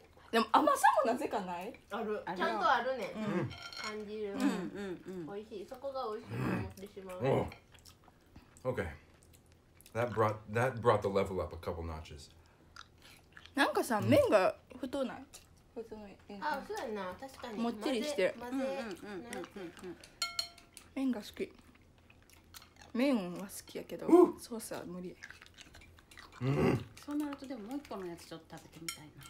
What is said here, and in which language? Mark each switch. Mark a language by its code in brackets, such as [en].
[ja] でも甘さもなぜかない？ある。ちゃんとあるね。うん、感じる。うんうんうん。おいしい。そこがおいしいと思ってしまう。 [en] うん、Okay. That brought the level up a couple notches. [ja] なんかさ、麺が太ない。太ない。あ、そうやな。確かに。もっちりしてる。混ぜ、混ぜ。麺が好き。麺は好きやけど、ソースは無理。そうなるとでももう一個のやつちょっと食べてみたいな。